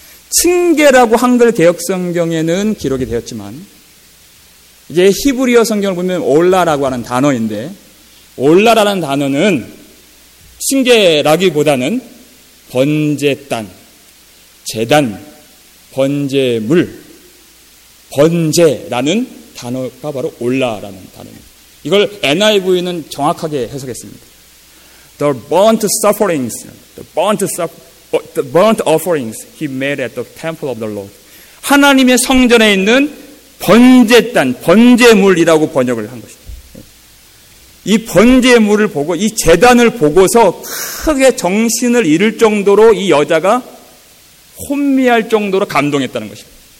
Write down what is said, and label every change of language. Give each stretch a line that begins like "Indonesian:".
Korean: 층계라고 한글 개역성경에는 기록이 되었지만 이게 히브리어 성경을 보면 올라라고 하는 단어인데 올라라는 단어는 층계라기보다는 번제단, 제단, 번제물, 번제라는 단어가 바로 올라라는 단어입니다. 이걸 NIV는 정확하게 해석했습니다.
English: The burnt sufferings, the burnt offerings he made at the temple of the Lord.
Korean: 하나님의 성전에 있는 번제단, 번제물이라고 번역을 한 것입니다. 이 번제물을 보고 이 제단을 보고서 크게 정신을 잃을 정도로 이 여자가 혼미할 정도로 감동했다는 것입니다.